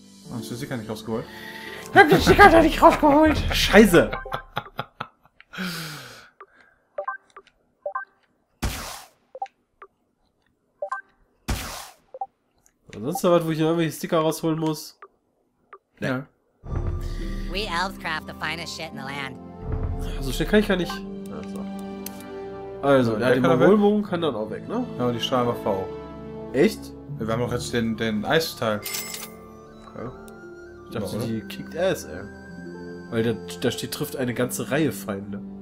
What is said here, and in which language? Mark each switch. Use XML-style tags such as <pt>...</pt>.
<de>Hast du den Sticker nicht rausgeholt? Ich hab den Sticker da nicht rausgeholt! Scheiße! Sonst noch was, wo ich noch irgendwelche Sticker rausholen muss? Ja.</de> <en>We elves craft the finest shit in the land.</en> <de>So schnell kann ich gar nicht. Also, ja, die Mongolbogen kann dann auch weg, ne? Ja, und die Strahlwaffe auch. Echt? Wir haben doch jetzt den Eisteil. Okay. Ich dachte, genau, die kickt ass, ey. Weil da steht, trifft eine ganze Reihe Feinde.</de>